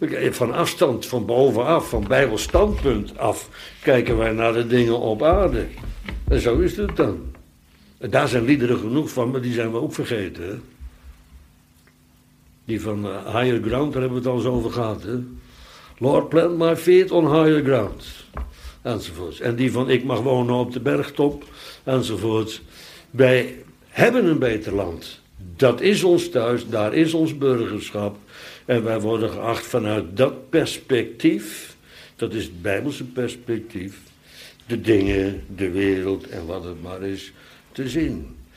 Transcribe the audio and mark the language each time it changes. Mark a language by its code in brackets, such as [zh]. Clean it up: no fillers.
[nl] Van afstand, van bovenaf, van bijbelstandpunt af, kijken wij naar de dingen op aarde. En zo is het dan. En daar zijn liederen genoeg van, maar die zijn we ook vergeten. Hè? Die van higher ground, daar hebben we het al eens over gehad. Hè? [en] Lord, plant my feet on higher ground. [nl] Enzovoorts. En die van ik mag wonen op de bergtop. Enzovoorts. Wij hebben een beter land. Dat is ons thuis, daar is ons burgerschap. En wij worden geacht vanuit dat perspectief, dat is het Bijbelse perspectief, de dingen, de wereld en wat het maar is, te zien.